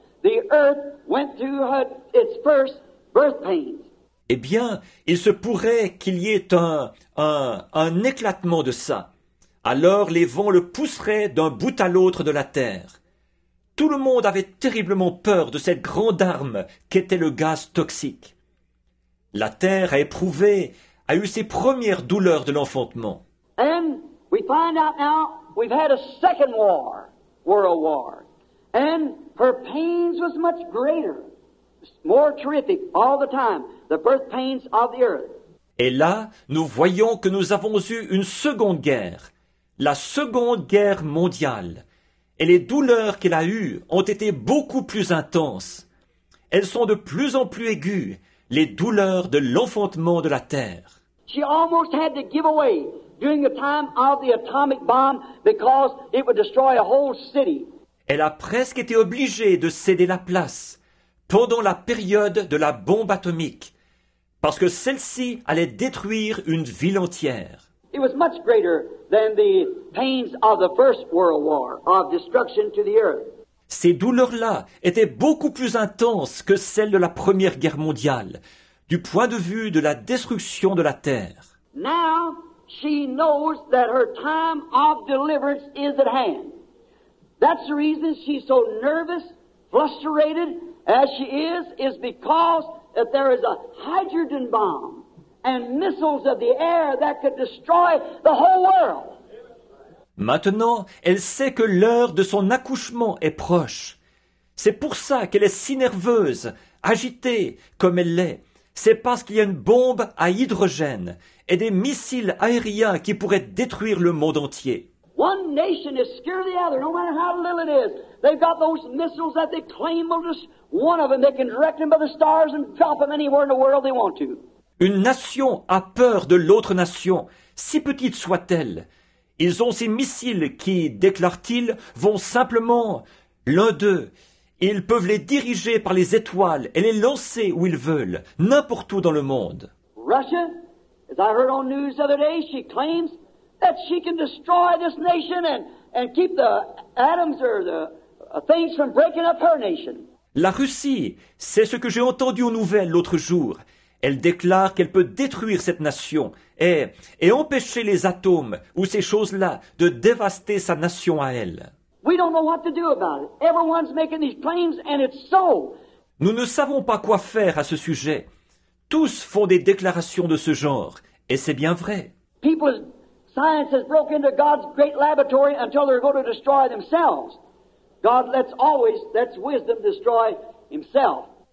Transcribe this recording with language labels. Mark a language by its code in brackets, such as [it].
[en] The earth went through its first birth pains. [fr] Eh bien, il se pourrait qu'il y ait un éclatement de ça. Alors les vents le pousseraient d'un bout à l'autre de la terre. Tout le monde avait terriblement peur de cette grande arme qu'était le gaz toxique. La terre a éprouvé, a eu ses premières douleurs de l'enfantement. [en] And we find out now we've had a second war, world war. And her pains was much greater, more terrific all the time, the birth pains of the earth. [fr] Et là, nous voyons que nous avons eu une seconde guerre, la seconde guerre mondiale. Et les douleurs qu'elle a eues ont été beaucoup plus intenses. Elles sont de plus en plus aiguës, les douleurs de l'enfantement de la terre. [en] She almost had to give away during the time of the atomic bomb because it would destroy a whole city. [fr] Elle a presque été obligée de céder la place pendant la période de la bombe atomique parce que celle-ci allait détruire une ville entière. [en] It was much greater than the pains of the First World War of destruction to the earth. [fr] Ces douleurs-là étaient beaucoup plus intenses que celles de la Première Guerre mondiale, du point de vue de la destruction de la terre. [en] Now she knows that her time of deliverance is at hand. That's the reason she's so nervous, frustrated as she is because that there is a hydrogen bomb and missiles of the air that could destroy the whole world. [fr] Maintenant, elle sait que l'heure de son accouchement est proche. C'est pour ça qu'elle est si nerveuse, agitée comme elle l'est. C'est parce qu'il y a une bombe à hydrogène et des missiles aériens qui pourraient détruire le monde entier. [en] One nation is scared of the other, no matter how little it is. They've got those missiles that they claim will just one of them. They can direct them by the stars and drop them anywhere in the world they want to. [fr] Une nation a peur de l'autre nation, si petite soit-elle. Ils ont ces missiles qui, déclare-t-il, vont simplement l'un d'eux. Ils peuvent les diriger par les étoiles et les lancer où ils veulent, n'importe où dans le monde. [en] Russia, as I heard on news the other day, she claims that she can destroy this nation and keep the atoms or the things from breaking up her nation. [fr] La Russie, c'est ce que j'ai entendu aux nouvelles l'autre jour. Elle déclare qu'elle peut détruire cette nation et empêcher les atomes ou ces choses-là de dévaster sa nation à elle. [en] We don't know what to do about it. Everyone's making these claims and it's so. [fr] Nous ne savons pas quoi faire à ce sujet. Tous font des déclarations de ce genre et c'est bien vrai. [en] People's science has broken into God's great laboratory until they're going to destroy themselves. God lets wisdom destroy himself.